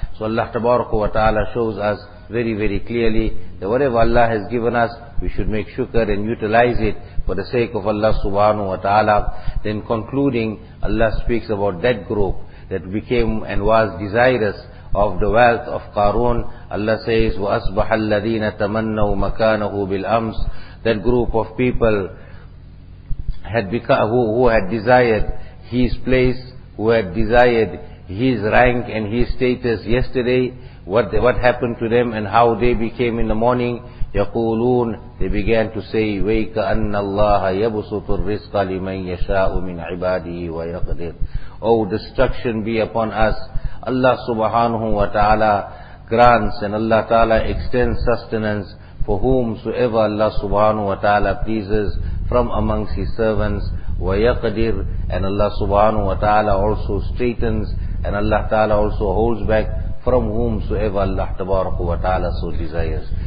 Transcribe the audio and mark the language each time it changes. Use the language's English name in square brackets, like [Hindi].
[English] So Allah tabaraka wa ta'ala shows us very, very clearly that whatever Allah has given us, we should make shukr and utilize it for the sake of Allah subhanahu wa ta'ala. Then concluding, Allah speaks about that group that became and was desirous of the wealth of Qarun. Allah says, [Arabic] وَأَصْبَحَ الَّذِينَ تَمَنَّوا مَكَانَهُ بِالْأَمْسِ. [English] That group of people had become, who had desired his place, who had desired his rank and his status yesterday, what happened to them and how they became in the morning. [Arabic] يقولون, [English] they began to say, [Arabic] وَيْكَأَنَّ اللَّهَ يَبُسُطُ الرِّزْقَ لِمَنْ يَشَاءُ مِنْ عِبَادِهِ وَيَقْدِرُ. [English] Oh, destruction be upon us. Allah subhanahu wa ta'ala grants and Allah ta'ala extends sustenance for whomsoever Allah subhanahu wa ta'ala pleases from amongst his servants. Wa yaqdir, and Allah subhanahu wa ta'ala also straightens, and Allah ta'ala also holds back from whomsoever Allah tabaraka wa ta'ala so desires.